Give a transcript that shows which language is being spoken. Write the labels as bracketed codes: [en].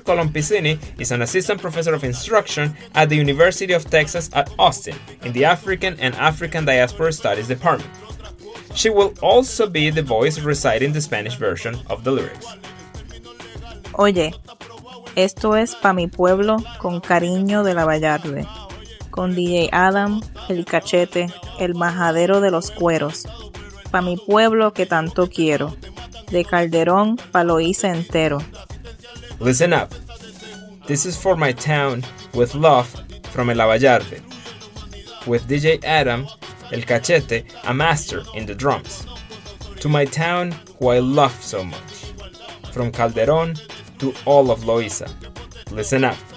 [en] Colon Piccini is an assistant professor of instruction at the University of Texas at Austin in the African and African Diaspora Studies Department. She will also be the voice reciting the Spanish version of the lyrics. [es] Oye, esto es pa' mi pueblo con cariño de la Vallarde, con DJ Adam, el cachete, el majadero de los cueros, pa' mi pueblo que tanto quiero, de Calderón pa' Loíza entero. [en] Listen up. This is for my town with love from El Vallarde. With DJ Adam, El Cachete, a master in the drums. To my town who I love so much. From Calderón to all of Loíza. Listen up.